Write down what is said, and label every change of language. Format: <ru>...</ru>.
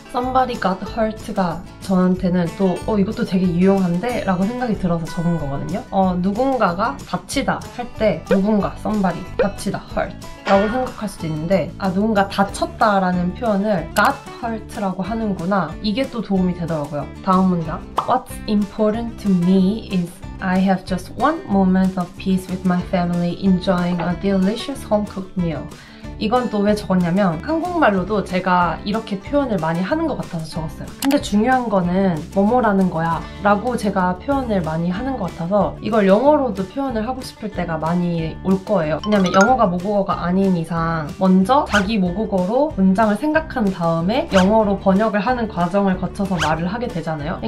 <en>Somebody got hurt</en> <ko>가 저한테는 또 이것도 되게 유용한데? 라고 생각이 들어서 적은 거거든요. 누군가가 다치다 할 때 누군가, somebody, 다치다, hurt 라고 생각할 수도 있는데 아 누군가 다쳤다 라는 표현을</ko> <en>got hurt</en> <ko>라고 하는구나. 이게 또 도움이 되더라고요. 다음 문장</ko> <en>What's important to me is I have just one moment of peace with my family enjoying a delicious home-cooked meal.</en> <ko>이건 또 왜 적었냐면 한국말로도 제가 이렇게 표현을 많이 하는 것 같아서 적었어요. 근데 중요한 거는 뭐뭐라는 거야 라고 제가 표현을 많이 하는 것 같아서 이걸 영어로도 표현을 하고 싶을 때가 많이 올 거예요. 왜냐면 영어가 모국어가 아닌 이상 먼저 자기 모국어로 문장을 생각한 다음에 영어로 번역을 하는 과정을 거쳐서 말을 하게 되잖아요.</ko>